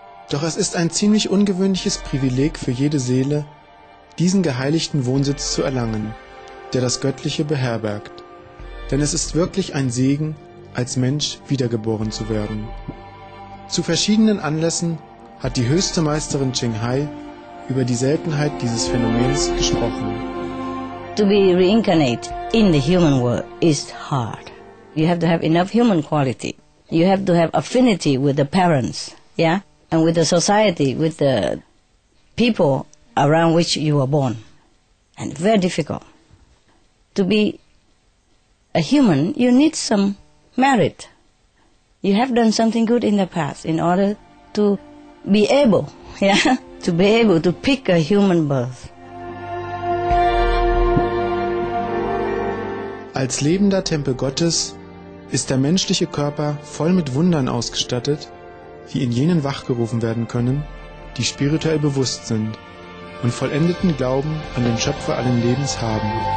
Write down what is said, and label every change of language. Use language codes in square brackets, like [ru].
[de] Doch es ist ein ziemlich ungewöhnliches Privileg für jede Seele, diesen geheiligten Wohnsitz zu erlangen, der das Göttliche beherbergt. Denn es ist wirklich ein Segen, als Mensch wiedergeboren zu werden. Zu verschiedenen Anlässen hat die höchste Meisterin Ching Hai über die Seltenheit dieses Phänomens gesprochen. [en] To be reincarnate in the human world is hard. You have to have enough human quality. You have to have affinity with the parents, yeah? And with the society, with the people around which you were born. And very difficult. To be a human, you need some merit. You have done something good in the past in order to be able, yeah? To be able to pick a human birth. [de] Als lebender Tempel Gottes ist der menschliche Körper voll mit Wundern ausgestattet, die in jenen wachgerufen werden können, die spirituell bewusst sind und vollendeten Glauben an den Schöpfer allen Lebens haben.